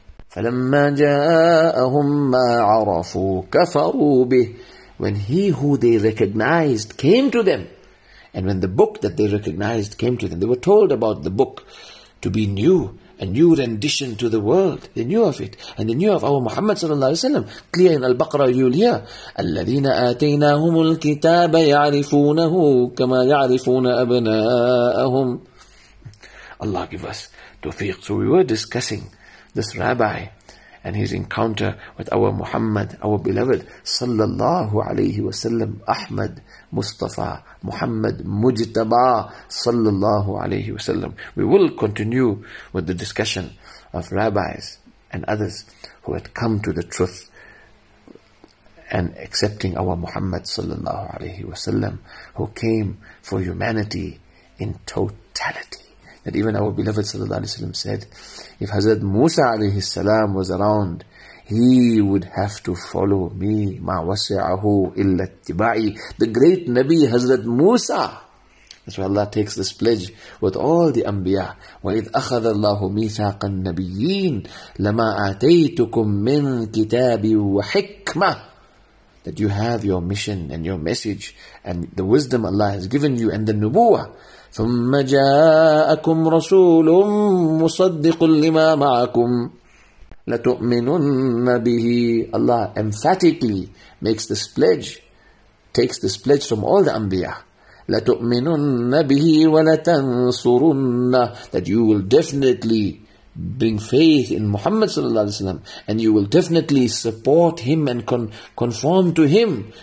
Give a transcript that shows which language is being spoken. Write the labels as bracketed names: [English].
[Arabic] فَلَمَّا جَاءَهُمْ مَا عَرَفُوا كَفَرُوا بِهِ. [English] When he who they recognized came to them, and when the book that they recognized came to them, they were told about the book to be new, a new rendition to the world. They knew of it, and they knew of our Muhammad sallallahu alaihi wasallam. Clear in Al-Baqarah, you'll hear, [Arabic] الَّذِينَ آتَيْنَاهُمُ الْكِتَابَ يَعْرِفُونَهُ كَمَا يَعْرِفُونَ أَبْنَاءَهُمْ. [English] Allah give us tawfiq. So we were discussing this rabbi and his encounter with our Muhammad, our beloved sallallahu alayhi wa sallam, Ahmad Mustafa Muhammad Mujtaba sallallahu alayhi wa sallam. We will continue with the discussion of rabbis and others who had come to the truth and accepting our Muhammad sallallahu alayhi wa sallam, who came for humanity in totality. That even our beloved sallallahu alayhi wa sallam said, if Hazrat Musa alayhi salam was around, he would have to follow me. [Arabic] Ma wasi'ahu illa tiba'i. [English] The great Nabi Hazrat Musa. That's why Allah takes this pledge with all the anbiya. [Arabic] وَإِذْ أَخَذَ اللَّهُ مِيثَاقَ النَّبِيِّينَ لَمَا آتَيْتُكُم مِّن كِتَابٍ وَحِكْمَةٍ. [English] That you have your mission and your message and the wisdom Allah has given you and the nubuwah. [Arabic] ثم جاءكم رسول مصدق لما معكم لتؤمنن به. [English] Allah emphatically makes this pledge, takes this pledge from all the anbiya. [Arabic] لتؤمنن به ولتنصرن. [English] That you will definitely bring faith in Muhammad sallallahu alaihi wasallam, and you will definitely support him and conform to him.